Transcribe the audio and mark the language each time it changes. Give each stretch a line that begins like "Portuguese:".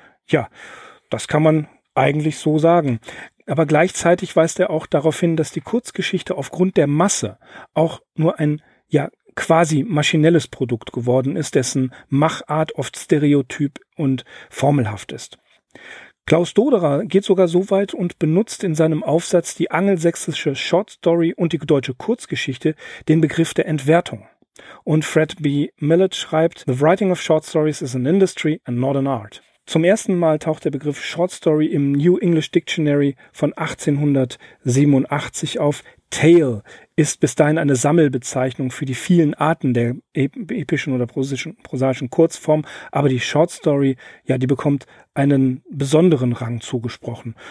German: Ja, das kann man eigentlich so sagen. Aber gleichzeitig weist er auch darauf hin, dass die Kurzgeschichte aufgrund der Masse auch nur ein, ja, quasi maschinelles Produkt geworden ist, dessen Machart oft stereotyp und formelhaft ist. Klaus Doderer geht sogar so weit und benutzt in seinem Aufsatz die angelsächsische Short Story und die deutsche Kurzgeschichte den Begriff der Entwertung. Und Fred B.
English: Millett
German: schreibt,
English: "The writing of short stories is an industry and not an art."
German: Zum ersten Mal taucht der Begriff Short Story im New English Dictionary von 1887 auf. Tale ist bis dahin eine Sammelbezeichnung für die vielen Arten der epischen oder prosaischen Kurzform, aber die Short Story, ja, die bekommt einen besonderen Rang zugesprochen.